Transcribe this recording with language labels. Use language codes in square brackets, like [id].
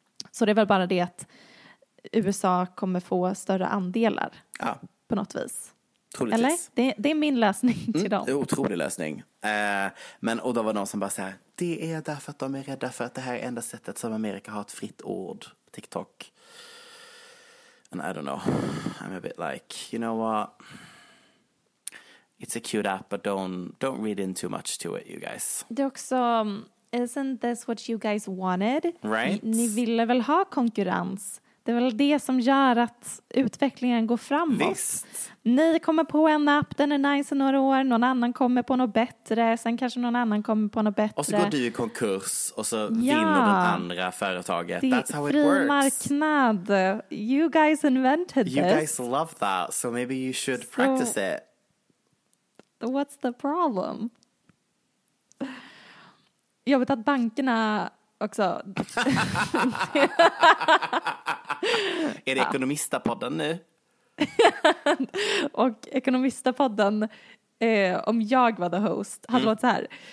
[sv] Så det är väl bara det att USA kommer få större andelar på något vis. Troligtvis. Eller? Det är min lösning till dem. Otrolig lösning. Men och då var någon som bara säger, det är därför att de är rädda för att det här är enda sättet som Amerika har ett fritt ord, TikTok. [en] And I don't know, I'm a bit like, you know what, it's a cute app, but don't read in too much to it, you guys. [sv] Det är också, [en] isn't this what you guys wanted? Right? [sv] Ni ville väl ha konkurrens? Det är väl det som gör att utvecklingen går framåt. Visst. Ni kommer på en app, den är nice i några år, någon annan kommer på något bättre, sen kanske någon annan kommer på något bättre. Och så går du i konkurs och så vinner det andra företaget. Det [en] That's how it works. Marknad. You guys invented this. You guys love that, so maybe you should practice it. What's the problem? [sv] Jag vet att bankerna också. Är det Ekonomistapodden nu? Och Ekonomistapodden, om jag var [en] the host, [sv] hade låtit så här.